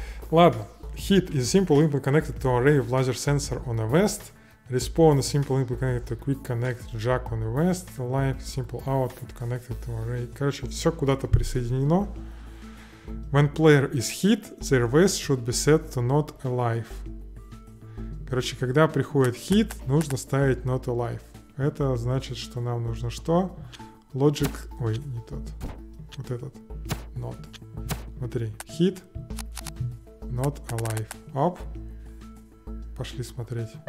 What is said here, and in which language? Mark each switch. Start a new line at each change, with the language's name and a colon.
Russian: Ладно.
English: Hit is a simple input connected to array of laser sensor on a vest. Respawn is a simple input connected to quick connect jack on a vest. Live simple output connected to array.
Russian: Короче, все куда-то присоединено.
English: When player is hit, their vest should be set to not alive.
Russian: Короче, когда приходит hit, нужно ставить
English: not alive.
Russian: Это значит, что нам нужно что? Logic... Ой, не тот. Вот этот. Not. Смотри, hit...
English: Not alive.
Russian: Оп. Пошли смотреть.